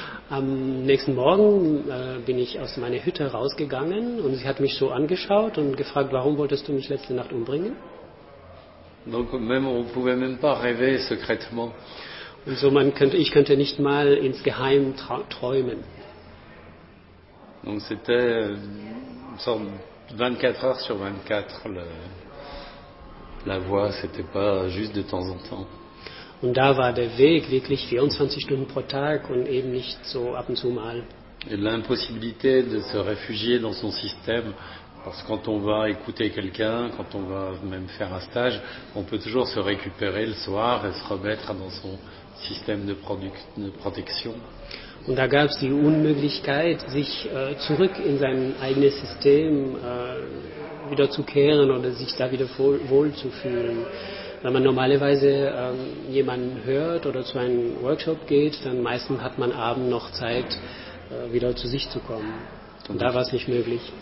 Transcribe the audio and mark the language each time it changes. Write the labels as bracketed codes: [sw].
[de] Am nächsten Morgen bin ich aus meiner Hütte rausgegangen und sie hat mich so angeschaut und gefragt, warum wolltest du mich letzte Nacht umbringen? [fr] Donc même, on pouvait même pas rêver secrètement. [de] Und so ich könnte nicht mal ins Geheim träumen. [fr] Donc c'était 24 heures sur 24 la voix, c'était pas juste de temps en temps. [de] Und da war der Weg wirklich 24 Stunden pro Tag und eben nicht so ab und zu mal. [fr] Et l'impossibilité de se réfugier dans son système, parce que quand on va écouter quelqu'un, quand on va même faire un stage, on peut toujours se récupérer le soir et se remettre dans son système de protection. [de] Und da gab es die Unmöglichkeit, sich zurück in sein eigenes System wiederzukehren oder sich da wieder wohl zu fühlen. Wenn man normalerweise jemanden hört oder zu einem Workshop geht, dann meistens hat man abends noch Zeit, wieder zu sich zu kommen. Und da war es nicht möglich.